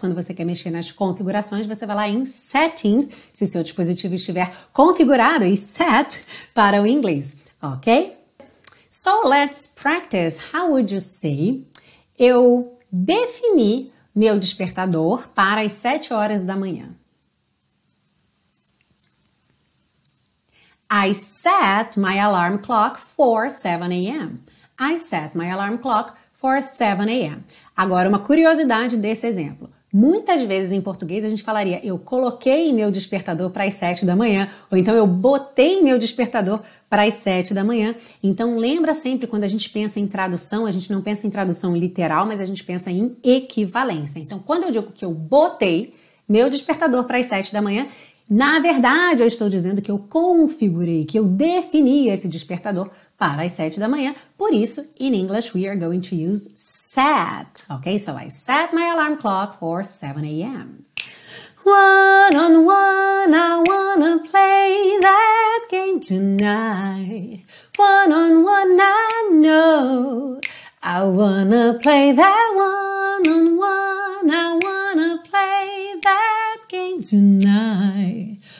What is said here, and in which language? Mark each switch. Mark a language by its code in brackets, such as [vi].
[pt] Quando você quer mexer nas configurações, você vai lá em settings, se seu dispositivo estiver configurado, e set para o inglês, ok? [en] So let's practice. How would you say? [pt] Eu defini meu despertador para as 7 horas da manhã. [en] I set my alarm clock for 7 a.m. I set my alarm clock for 7 a.m. [pt] Agora, uma curiosidade desse exemplo. Muitas vezes em português a gente falaria eu coloquei meu despertador para as 7 da manhã, ou então eu botei meu despertador para as 7 da manhã. Então, lembra sempre quando a gente pensa em tradução, a gente não pensa em tradução literal, mas a gente pensa em equivalência. Então, quando eu digo que eu botei meu despertador para as 7 da manhã, na verdade eu estou dizendo que eu configurei, que eu defini esse despertador para as 7 da manhã. Por isso, [en] in English, we are going to use set. Okay, so I set my alarm clock for 7 a.m. One on one, I wanna play that game tonight. One on one, I know. I wanna play that one on one, I wanna play that game tonight.